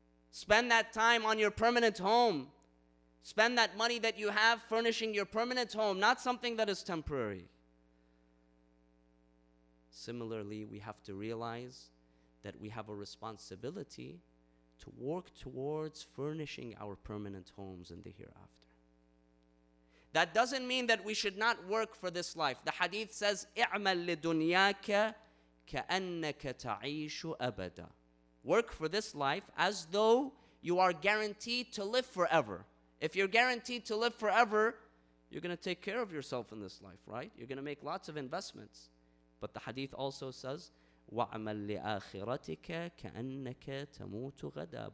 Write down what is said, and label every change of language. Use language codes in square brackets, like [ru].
[en] Spend that time on your permanent home. Spend that money that you have furnishing your permanent home, not something that is temporary. Similarly, we have to realize that we have a responsibility to work towards furnishing our permanent homes in the hereafter. That doesn't mean that we should not work for this life. The hadith says, [ar] اعمل لدنياك كأنك تعيش أبدا. [en] Work for this life as though you are guaranteed to live forever. If you're guaranteed to live forever, you're going to take care of yourself in this life, right? You're going to make lots of investments. But the hadith also says, [ar] وَعْمَلْ لِآخِرَتِكَ كَأَنَّكَ تَمُوتُ غَدًا.